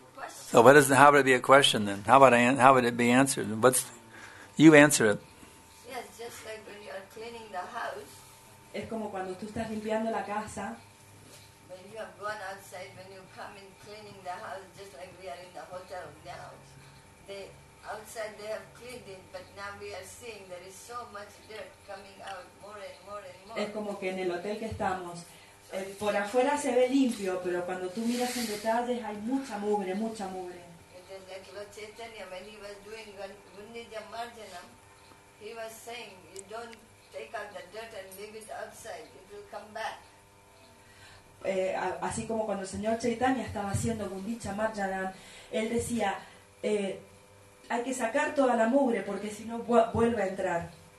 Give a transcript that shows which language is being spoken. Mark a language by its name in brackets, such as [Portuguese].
[English] So what is the, how would it be a question then? How would it be answered? You answer it. Yes, just like when you are cleaning the house. [Spanish] Es como cuando tú estás limpiando la casa. [English] When you have gone outside, when you come in cleaning the house, just like we are in the hotel now. The outside they have cleaned it, but now we are seeing there is so much dirt coming out more and more and more. [Spanish] Es como que en el hotel que estamos. Por afuera se ve limpio, pero cuando tú miras en detalles hay mucha mugre, mucha mugre. [English] like Lord Chaitanya, when he was doing Gunnidya Marjanam, he was saying, you don't take out the dirt and leave it outside, it will come back. [Spanish] Así como cuando el señor Chaitanya estaba haciendo Gundicha Marjanam, él decía, hay que sacar toda la mugre porque si no vuelve a entrar.